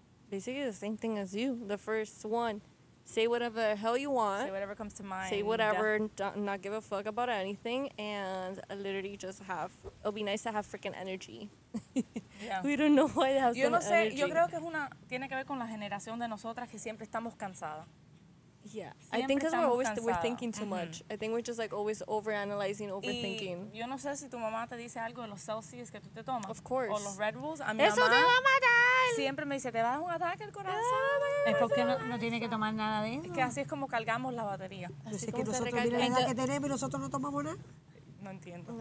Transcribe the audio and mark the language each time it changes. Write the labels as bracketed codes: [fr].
[en] basically the same thing as you, the first one. Say whatever the hell you want. Say whatever comes to mind. Say whatever, not give a fuck about anything, and literally just have, it'll be nice to have freaking energy. Yeah. We don't know why they have [es] yo [en] so [es] no [en] much energy. [es] Yo creo que es una, tiene que ver con la generación de nosotras que siempre estamos cansadas. [en] Yeah, [es] siempre [en] I think because we're always we're thinking too much. I think we're just like always overanalyzing, overthinking. [es] Y yo no sé si tu mamá te dice algo de los Celsius que tú te tomas. [en] Of course. [es] O los Red Bulls. A mi ¡eso mamá te va a matar! Siempre me dice, te va a dar un ataque al corazón. Es porque no tiene que tomar nada de eso. Es que así es como cargamos la batería. Así que nosotros, mira la edad que tenemos y nosotros no tomamos nada. No entiendo.